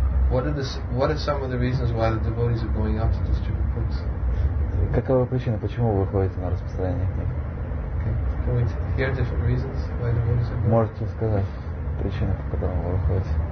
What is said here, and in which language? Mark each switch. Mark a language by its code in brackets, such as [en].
[en] What are some of the reasons why the devotees are going out to distribute books? [ru] Какова причина, почему вы выходите на распространение книг? [en] Can we hear different reasons why the devotees are going? [ru] Можете сказать причину, по которой вы выходите?